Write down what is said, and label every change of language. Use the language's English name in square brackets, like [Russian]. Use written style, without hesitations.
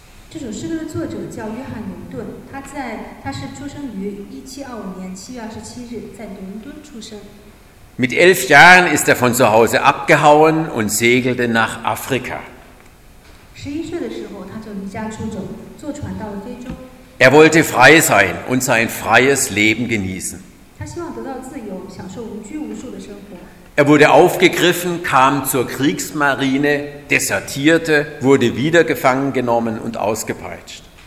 [Chinese] 这首诗歌的作者叫约翰牛顿，他是出生于1725年7月27日，在伦敦出生。 [German] Mit 11 Jahren ist von zu Hause abgehauen und segelte nach Afrika. [Chinese] 11岁的时候，他就离家出走，坐船到了非洲。 [German] Wollte frei sein und sein freies Leben genießen. [Chinese] 他希望得到自由，享受无拘无束的生活。 [German] Wurde aufgegriffen, kam zur Kriegsmarine, desertierte, wurde wieder gefangen genommen und ausgepeitscht.